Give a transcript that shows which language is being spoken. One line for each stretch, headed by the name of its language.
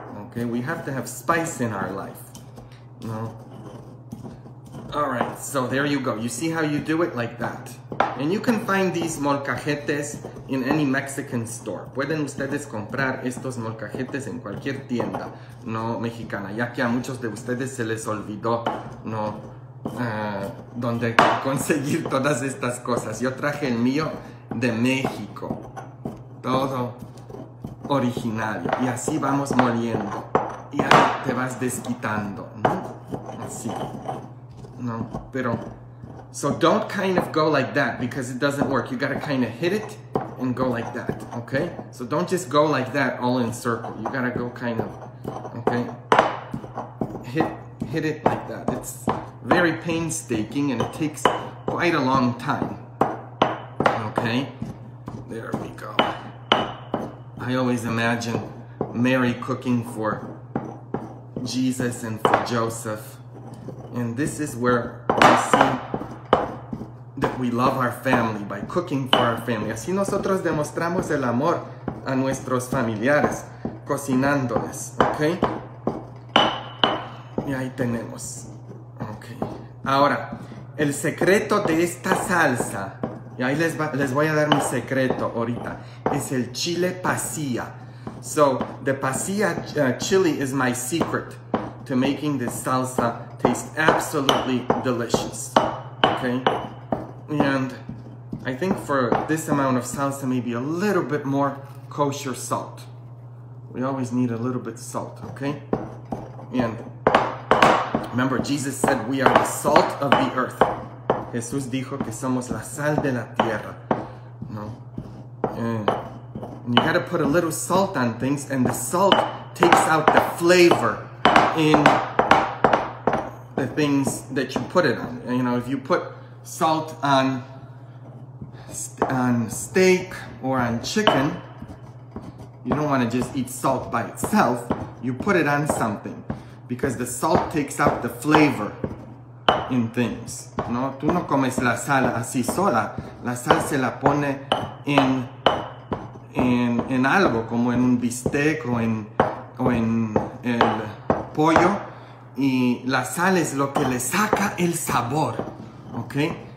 English: Okay, we have to have spice in our life. No. All right, so there you go. You see how you do it like that. And you can find these molcajetes in any Mexican store.
Spanish: Pueden ustedes comprar estos molcajetes en cualquier tienda, no mexicana, ya que a muchos de ustedes se les olvidó, no, dónde conseguir todas estas cosas. Yo traje el mío de México, todo original. Y así vamos moliendo. Y así. te vas desquitando, ¿no? Así. No, pero...
English: So don't kind of go like that because it doesn't work. You gotta kind of hit it and go like that, okay? So don't just go like that all in circle. You gotta go kind of, okay? Hit it like that. It's very painstaking and it takes quite a long time, okay? There we go. I always imagine Mary cooking for Jesus and for Joseph. And this is where we see that we love our family, by cooking for our family.
Spanish: Así nosotros demostramos el amor a nuestros familiares, cocinándoles, okay? Y ahí tenemos. Okay. Ahora, el secreto de esta salsa, y ahí les voy a dar mi secreto ahorita, es el chile pasilla.
English: So, the pasilla chili is my secret to making this salsa taste absolutely delicious. Okay? And I think for this amount of salsa, maybe a little bit more kosher salt. We always need a little bit of salt, okay? And remember, Jesus said we are the salt of the earth.
Spanish: Jesús dijo que somos la sal de la tierra. No.
English: And you got to put a little salt on things, and the salt takes out the flavor in the things that you put it on. And, you know, if you put salt on steak or on chicken, you don't want to just eat salt by itself. You put it on something because the salt takes out the flavor in things.
Spanish: No, tú no comes la sal así sola. La sal se la pone en algo, como en un bistec o en el pollo. Y la sal es lo que le saca el sabor, okay?